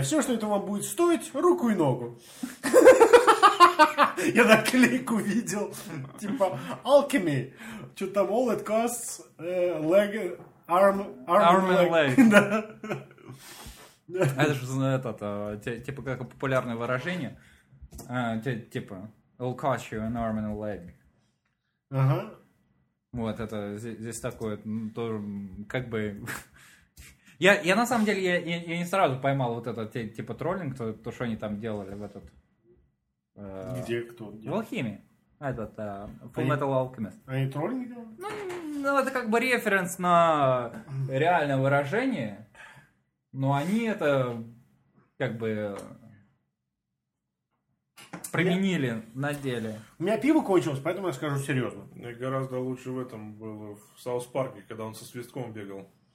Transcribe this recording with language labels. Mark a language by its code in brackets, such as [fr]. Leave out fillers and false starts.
[ru] Все, что это вам будет стоить, руку и ногу. Я наклейку видел. Типа, alchemy. Что-то там, [en] all it costs, leg, arm and leg. Да. [ru] Это же типа как популярное выражение. Типа [en] it'll cost you an arm and a leg. [ru] Ага. Вот это здесь такое, ну, то, как бы Я на самом деле я не сразу поймал вот этот типа троллинг, то что они там делали в этот... Где? Кто? В Алхимии. Этот, Full Metal Alchemist. Они троллинг? Ну, это как бы референс на реальное выражение, но они это как бы применили на деле. У меня пиво кончилось, поэтому я скажу серьезно. Мне гораздо лучше в этом было в South Park, когда он со свистком бегал.